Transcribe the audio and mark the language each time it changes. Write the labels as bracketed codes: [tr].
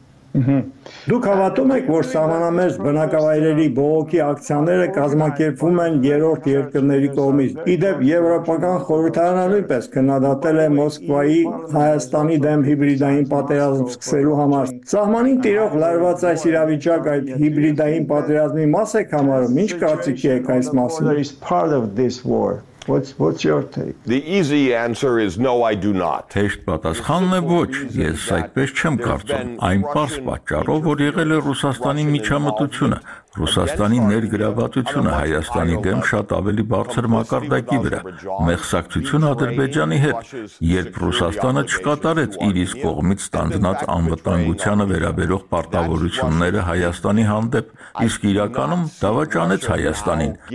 [hy] Դուք հավատում եք, որ սահմանամերձ բնակավայրերի բողոքի ակցիաները կազմակերպվում են երրորդ երկրների կողմից։ Իդեպ եվրոպական խորհրդարանը նույնպես քննադատել է Մոսկվայի Հայաստանի դեմ հիբրիդային պատերազմ սկսելու համար։ Սահմանին տիրող լարված այս իրավիճակ այդ հիբրիդային պատերազմի մաս է համարում։ Ինչ կարծիքի եք այս մասին։ [en] What's your take? The easy answer is no, I do not. [hy] Հեշտ պատասխանն է ոչ, ես այդպես չեմ կարծում, այն պարզ պատճառով, որ եղել է Ռուսաստանի միջամտությունը, Ռուսաստանի ներգրավվածությունը Հայաստանի դեմ շատ ավելի բարձր մակարդակի վրա, մեղսակցությունը Ադրբեջանի հետ, երբ Ռուսաստանը չկատարեց իր իսկ կողմից ստանձնած անվտանգությանը վերաբերող պարտավորությունները Հայաստանի հանդեպ, իսկ իրականում դավաճանեց Հայաստանին,